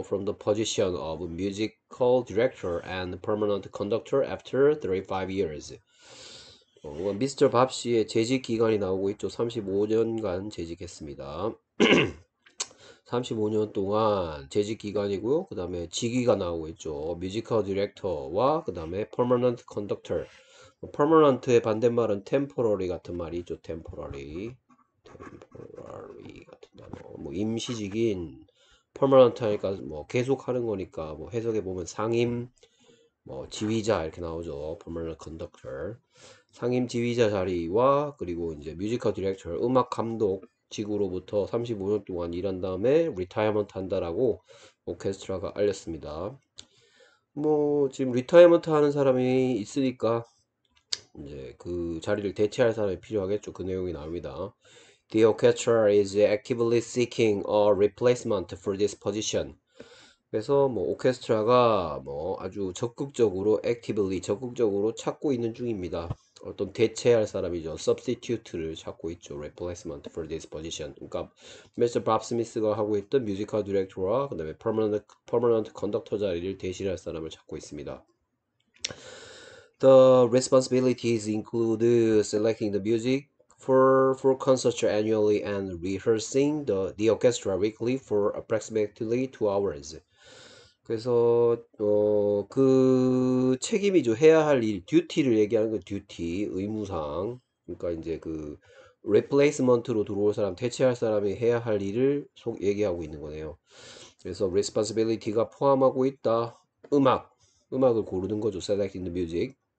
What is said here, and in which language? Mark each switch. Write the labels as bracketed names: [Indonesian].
[English] From the position of musical director and permanent conductor after 35 years. Mr. [Korean] Bob 씨의 재직 기간이 나오고 있죠. 35년간 재직했습니다. 35년 동안 재직 기간이고요. 그 다음에 직위가 나오고 있죠. 뮤지컬 디렉터와 그 다음에 퍼머넌트 컨덕터. 퍼머넌트의 반대말은 템포러리 같은 말이 있죠. 템포러리 같은 단어. 뭐 임시직인 퍼머넌트 하니까 뭐 계속하는 거니까 뭐 해석해 보면 상임 뭐 지휘자 이렇게 나오죠. 퍼머넌트 컨덕터. 상임 지휘자 자리와 그리고 이제 뮤지컬 디렉터 음악 감독 직으로부터 35년 동안 일한 다음에 리타이어먼트 한다라고 오케스트라가 알렸습니다. 뭐 지금 리타이어먼트 하는 사람이 있으니까 이제 그 자리를 대체할 사람이 필요하겠죠. 그 내용이 나옵니다. [English] The orchestra is actively seeking a replacement for this position. [Korean] 그래서 뭐 오케스트라가 뭐 아주 적극적으로 actively 적극적으로 찾고 있는 중입니다. 어떤 대체할 사람이죠. Substitute를 찾고 있죠. [English] Replacement for this position. [Korean] 그러니까 Mr. Bob Smith가 하고 있던 뮤지컬 디렉터와 그다음에 Permanent Conductor 자리를 대신할 사람을 찾고 있습니다. [English] The responsibilities include selecting the music for concerts annually and rehearsing the orchestra weekly for approximately 2 hours. [Korean] 그래서 그 책임이죠. 해야 할 일, 듀티를 얘기하는 거 듀티, 의무상. 그러니까 이제 그 replacement로 들어올 사람, 대체할 사람이 해야 할 일을 얘기하고 있는 거네요. 그래서 responsibility가 포함하고 있다. 음악을 고르는 거죠. [English] Selecting the music.